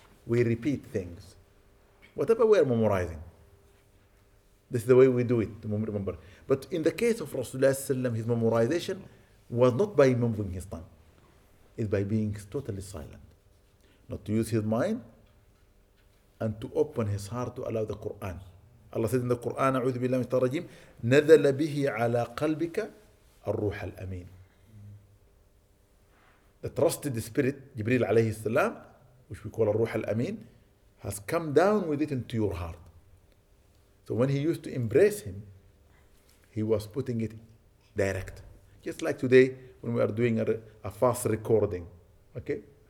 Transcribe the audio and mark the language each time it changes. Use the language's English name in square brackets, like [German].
[English] We repeat things, whatever we are memorizing. This is the way we do it, to remember. But in the case of Rasulullah, his memorization was not by moving his tongue. It's by being totally silent. Not to use his mind, and to open his heart to allow the Quran. Allah said in the Quran, [Arabic] أعوذ بالله من الشيطان الرجيم, نزل به على قلبك الروح الأمين. [English] The trusted spirit, Jibreel alayhi salam, which we call الروح الأمين, has come down with it into your heart. So when he used to embrace him, he was putting it direct. Just like today, when we are doing a fast recording, okay?